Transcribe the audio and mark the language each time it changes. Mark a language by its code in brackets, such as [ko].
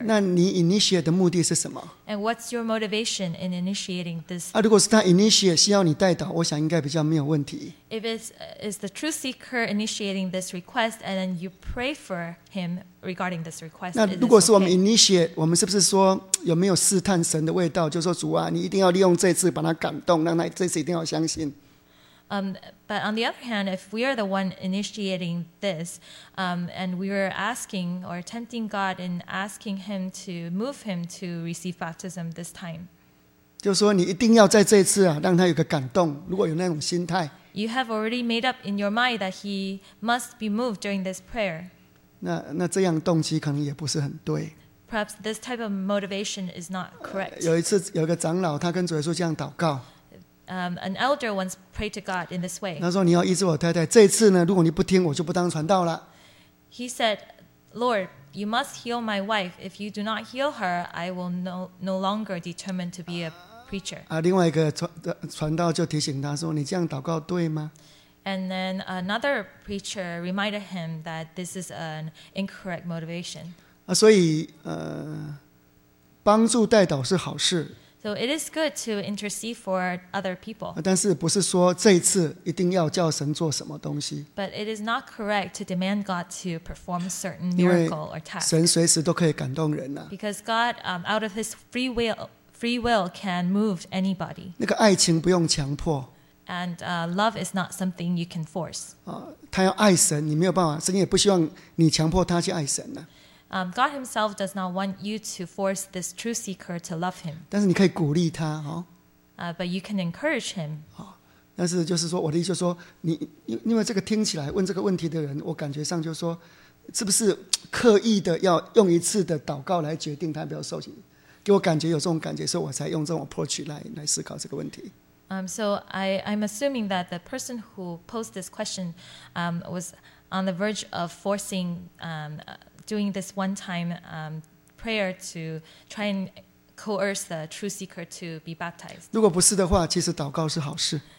[zh] 那你 initiate 的目的是什么？ [en] And what's your motivation in initiating this? [zh] 如果是他 initiate 需要你带导，我想应该比较没有问题。 [en] If it's the truth seeker initiating this request and then you pray for him regarding this request, [zh] 那如果是我们 initiate, 我们是不是说有没有试探神的味道？就说主啊，你一定要利用这次把他感动，让他这次一定要相信。 [en] But on the other hand, if we are the one initiating this, and we are asking or tempting God and asking Him to move Him to receive baptism this time, [zh] 就说你一定要在这一次啊，让他有个感动。如果有那种心态， [en] you have already made up in your mind that He must be moved during this prayer. [zh] 那这样动机可能也不是很对。 [en] Perhaps this type of motivation is not correct. [zh] 有一次有一个长老，他跟主耶稣这样祷告。 [en] An elder once prayed to God in this way. [zh] 他说你要医治我太太，这次呢，如果你不听，我就不当传道了。 [en] He said, Lord, you must heal my wife. If you do not heal her, I will no longer determine to be a preacher. [zh] 另外一个 传道就提醒他说，你这样祷告对吗？ [en] And then another preacher reminded him that this is an incorrect motivation. [zh] 所以帮助带导是好事。 [en] So it is good to intercede for other people. [zh] 但是不是说这一次一定要叫神做什么东西。 [en] But it is not correct to demand God to perform certain miracle or task. [zh] 因为神随时都可以感动人啊。 [en] Because God, out of his free will can move anybody. [zh] 那个爱情不用强迫。 [en] And love is not something you can force. [zh] 他要爱神，你没有办法，神也不希望你强迫他去爱神啊。 [en] God himself does not want you to force this truth seeker to love him. [zh] 但是你可以鼓励他、哦、 [en] But you can encourage him.、哦、 [zh] 但是就是说我的意思就是说你因为这个听起来问这个问题的人我感觉上就是说是不是刻意的要用一次的祷告来决定他要不要受洗，给我感觉有这种感觉，所以我才用这种 approach 来思考这个问题。 [en] So I'm assuming that the person who posed this question was on the verge of forcing doing this one time prayer to try and coerce the true seeker to be baptized. [zh] 如果不是的话，其实祷告是好事。